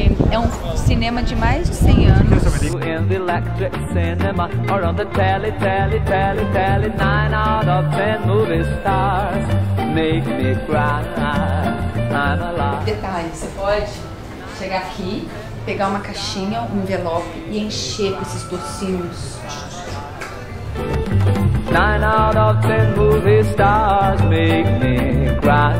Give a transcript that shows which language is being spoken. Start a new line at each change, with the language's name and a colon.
Portuguese: É um cinema de mais de 100 anos.
English: In the electric cinema or on the telly, telly, telly, telly, 9 out of 10 movie stars make me cry. I'm alive.
Portuguese: Detalhe, você pode chegar aqui, pegar uma caixinha, um envelope e encher com esses docinhos.
English: 9 out of 10 movie stars make me cry.